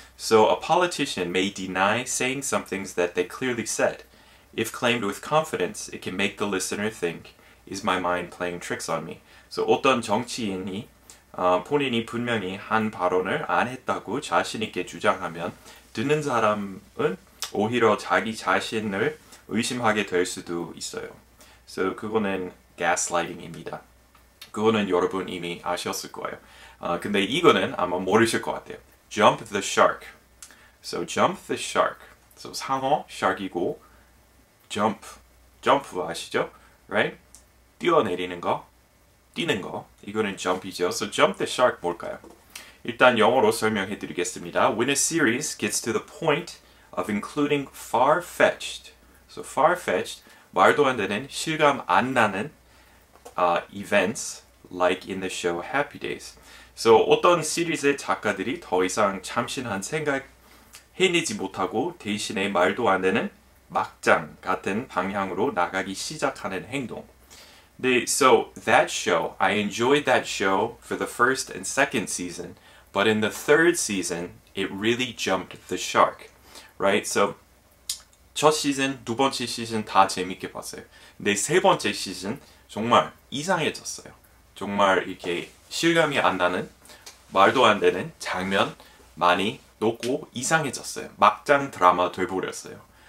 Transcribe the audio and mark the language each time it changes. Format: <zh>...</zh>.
<en>So a politician may deny saying some things that they clearly said. If claimed with confidence, it can make the listener think, is my mind playing tricks on me?</en> <ko>So 어떤 정치인이 본인이 분명히 한 발언을 안 했다고 자신 있게 주장하면 듣는 사람은 오히려 자기 자신을 의심하게 될 수도 있어요. So 그거는 gaslighting입니다. 그거는 여러분 이미 아셨을 거예요. 근데 이거는 아마 모르실 것 같아요.</ko> <en>Jump the shark. So jump the shark. So 상어 shark이고 jump 아시죠? Right?</en> <ko>뛰어내리는 거, 뛰는 거. 이거는 jump이죠. So jump the shark 뭘까요? 일단 영어로 설명해드리겠습니다.</ko> <en>When a series gets to the point of including far-fetched.</en> <ko>So far-fetched, 말도 안 되는 실감 안 나는 events like in the show Happy Days. So 어떤 시리즈의 작가들이 더 이상 참신한 생각 해내지 못하고 대신에 말도 안 되는 막장 같은 방향으로 나가기 시작하는 행동. 네,</ko> <en>so that show, I enjoyed that show for the first and second season, but in the third season, it really jumped the shark, right?</en> <ko>So 첫 시즌, 두 번째 시즌 다 재밌게 봤어요. 근데 세 번째 시즌 정말 이상해졌어요. 정말 이렇게 실감이 안 나는 말도 안 되는 장면 많이 놓고 이상해졌어요. 막장 드라마 돼버렸어요.</ko>